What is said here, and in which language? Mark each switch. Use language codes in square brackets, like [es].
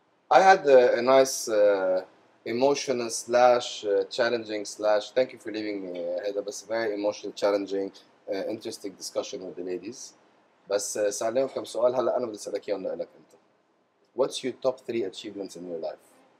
[en] I had a nice emotional slash challenging slash. Thank you for leaving me. I had a very emotional, challenging, interesting discussion with the ladies. [ar] بس سألهم كم سؤال هلا أنا بدي أسألك إياهم لك أنت. [en] What's your top three achievements in your life?